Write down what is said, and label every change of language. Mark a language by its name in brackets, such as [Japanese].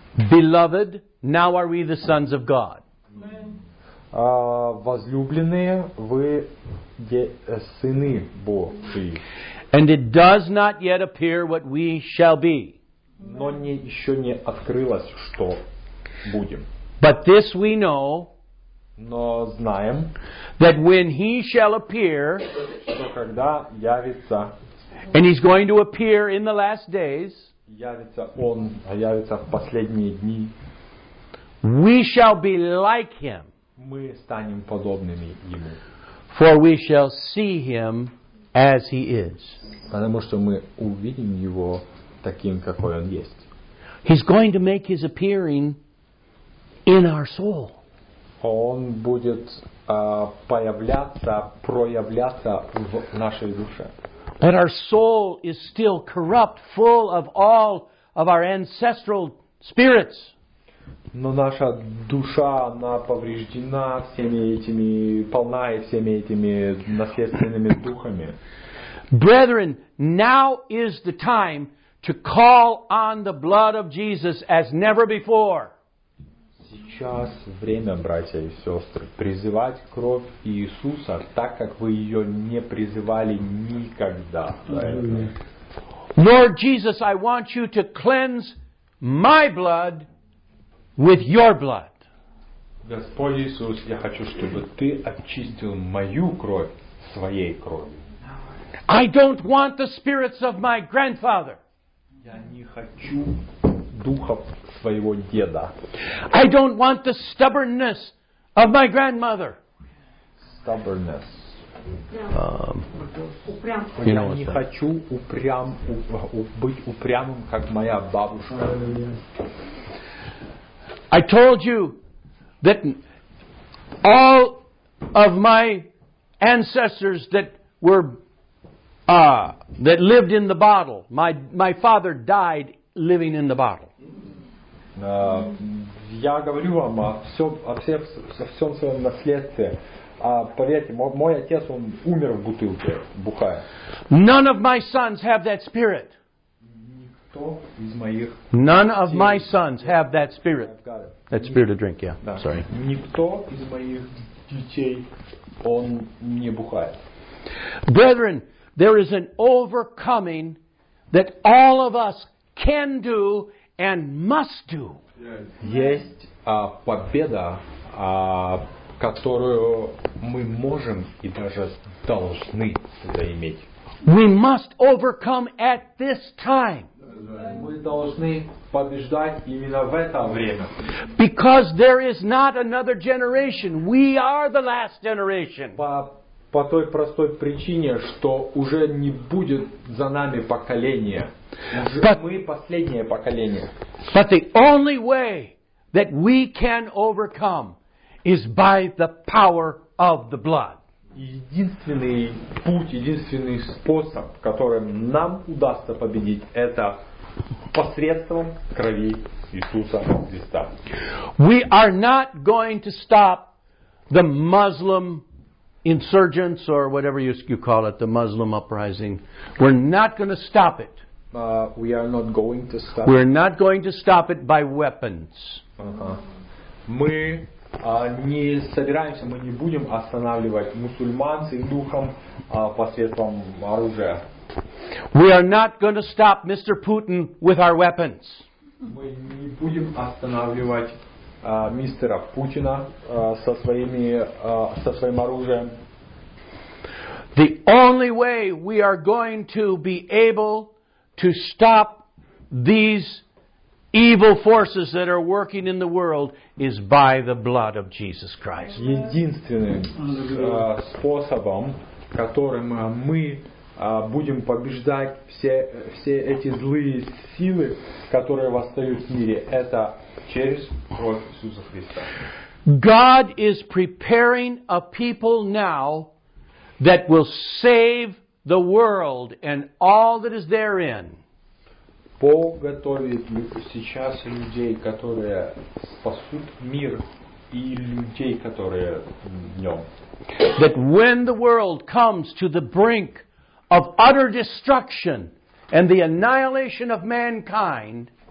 [English] Beloved, now are we the sons of God. [Russian] возлюбленные, вы сыны Божьи. [English] And it does not yet appear what we shall be. [Russian] Но не, еще не открылось, что будем. [English] But this we know, [Russian] но знаем, [English] that when he shall appear, [Russian] что когда явится, [English] and he's going to appear in the last days, [Russian] явится он, а явится в последние дни, [English] we shall be like him. [Russian] Мы станем подобными ему. [English] For we shall see him as he is. [Russian] Потому что мы увидим его таким, какой он есть. [English] He's going to make his appearing in our soul. [Russian] Он будет появляться, проявляться в нашей душе. [English] But our soul is still corrupt, full of all of our ancestral spirits. [Russian] Но наша душа, она повреждена всеми этими, полна всеми этими наследственными духами. [English] Brethren, now is the time to call on the blood of Jesus as never before. [Russian] Сейчас время, братья и сестры, призывать кровь Иисуса так, как вы ее не призывали никогда. [English] Lord Jesus, I want you to cleanse my blood with your blood. [Russian] Господь Иисус, я хочу, чтобы ты очистил мою кровь своей кровью. [English] I don't want the spirits of my grandfather. [Russian] Я не хочу духов своего деда. [English] I don't want the stubbornness of my grandmother. Stubbornness. [Russian] Упрямство. Я не хочу упрям, быть упрямым, как моя бабушка. [English] I told you that all of my ancestors that were that lived in the bottle, my father died living in the bottle. [Russian] Я говорю вам о всем своем наследстве. Поверьте, мой отец, он умер в бутылке, бухая. [English] None of my sons have that spirit. [Russian] Никто из моих. [English] None of my sons have that spirit. That spirit of drink, yeah. [Russian] Да. [English] Sorry. [Russian] Никто из моих детей, он не бухает. [English] Brethren, there is an overcoming that all of us can do and must do. [Russian] Есть победа, которую мы можем и даже должны заиметь. [English] We must overcome at this time. [Russian] Мы должны побеждать именно в это время. [English] Because there is not another generation. We are the last generation. [Russian] По той простой причине, что уже не будет за нами поколения. Мы последнее поколение. [English] But the only way that we can overcome is by the power of the blood. [Russian] Единственный путь, единственный способ, которым нам удастся победить, это посредством крови Иисуса Христа. [English] We are not going to stop the Muslim insurgents or whatever you call it, the Muslim uprising. We're not going to stop it. We are not going to stop. We're not going to stop it by weapons. [Russian] Мы не собираемся, мы не будем останавливать мусульман с духом посредством оружия. [English] We are not going to stop Mr. Putin with our weapons. [Russian] Мы не будем останавливать мистера Путина со своим оружием. [English] The only way we are going to be able to stop these evil forces that are working in the world is by the blood of Jesus Christ. [Russian] Единственным способом, которым мы будем побеждать все эти злые силы, которые восстают в мире, это через кровь Иисуса Христа. [English] God is preparing a people now that will save the world and all that is therein. [Russian] Бог готовит сейчас людей, которые спасут мир и людей, которые в нем. [English] That when the world comes to the brink of utter destruction and the annihilation of mankind,